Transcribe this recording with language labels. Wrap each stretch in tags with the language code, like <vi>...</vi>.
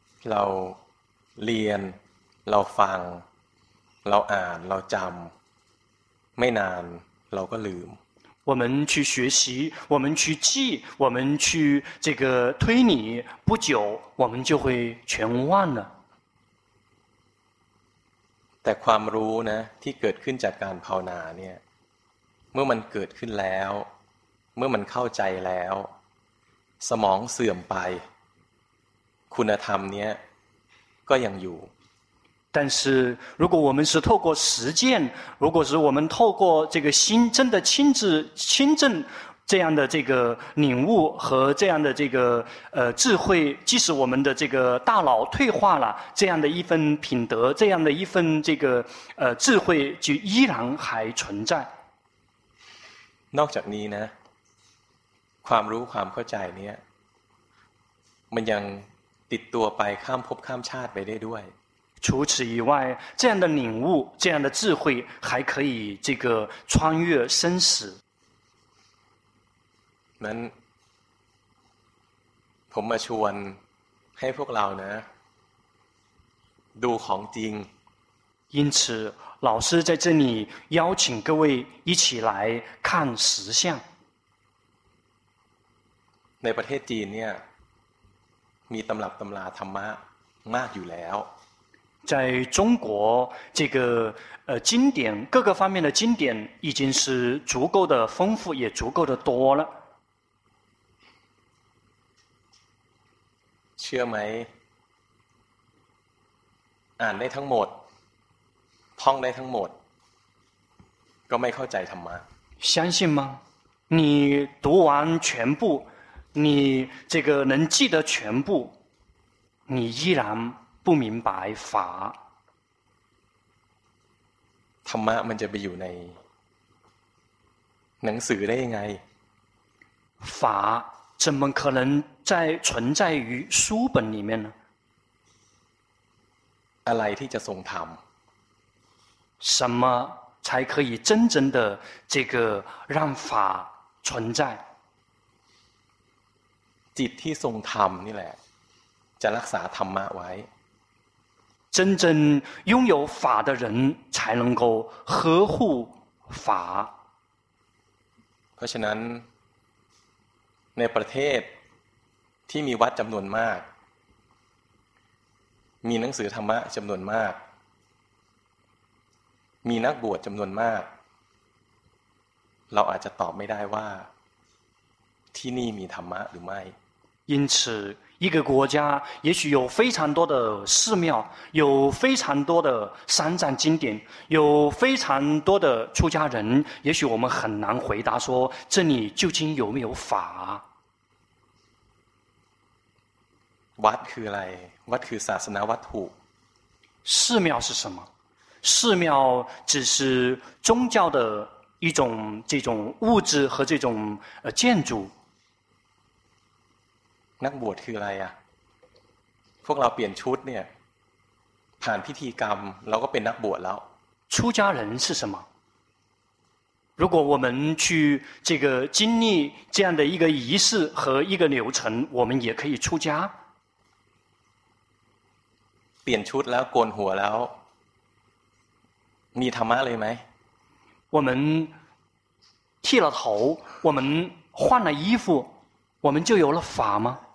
<th>เราเรียนเราฟังเราอ่านเราจำไม่นานเราก็ลืม</th> <zh>我们去学习我们去记我们去这个推理不久我们就会全忘了</zh> <th>แต่ความรู้นะที่เกิดขึ้นจากการภาวนาเนี่ยเมื่อมันเกิดขึ้นแล้วเมื่อมันเข้าใจแล้วสมองเสื่อมไปคุณธรรมเนี้ยก็ยังอยู่</th> <zh>但是如果我们是透过实践如果是我们透过这个心真的亲证这样的这个领悟和这样的这个智慧，即使我们的这个大脑退化了，这样的一份品德，这样的一份这个智慧，就依然还存在。</zh> <th>นอกจากนี้นะ ความรู้ความเข้าใจเนี้ย มันยังติดตัวไปข้ามภพข้ามชาติไปได้ด้วย</th> <zh>除此以外，这样的领悟，这样的智慧，还可以这个穿越生死。</zh> <th>นั้นผมมาชวนให้พวกเรานะดูของจริง</th> <zh>因此老师在这里邀请各位一起来看实相</zh> <th>ในประเทศจีนเนี่ยมีตำรับตำราธรรมะมากอยู่แล้ว</th> <zh>在中国这个经典各个方面的经典已经是足够的丰富也足够的多了。</zh> <th>เชื่อไหมอ่านได้ทั้งหมดท่องได้ทั้งหมดก็ไม่เข้าใจธรรมะ</th> <zh>相信吗你读完全部你这个能记得全部你依然不明白法</zh> <th>ธรรมะมันจะไปอยู่ในหนังสือได้ยังไง</th> <zh>法怎么可能在存在于书本里面呢</zh> <th>อะไรที่จะทรงธรรม</th> <zh>什么才可以真正的这个让法存在</zh> <th>จิตที่ทรงธรรมนี่แหละจะรักษาธรรมะไว้</th> <zh>真正拥有法的人才能够呵护法</zh> <th>เพราะฉะนั้นในประเทศที่มีวัดจำนวนมากมีหนังสือธรรมะจำนวนมากมีนักบวชจำนวนมากเราอาจจะตอบไม่ได้ว่าที่นี่มีธรรมะหรือไม่</th> <zh>因此一个国家也许有非常多的寺庙有非常多的三藏经典有非常多的出家人也许我们很难回答说这里究竟有没有法</zh> <th>วัดคืออะไรวัดคือศาสนาวัตถุ</th> <zh>寺庙是什么寺庙只是宗教的一种这种物质和这种建筑</zh> <th>นักบวชคืออะไรอ่ะพวกเราเปลี่ยนชุดเนี่ยผ่านพิธีกรรมเราก็เป็นนักบวชแล้ว</th> <zh>出家人是什么如果我们去这个经历这样的一个仪式和一个流程我们也可以出家</zh> <th>เปลี่ยนชุดแล้วโกนหัวแล้วมีธรรมะเลยไหม</th> <zh>我们剃了头我们换了衣服我们就有了法吗</zh>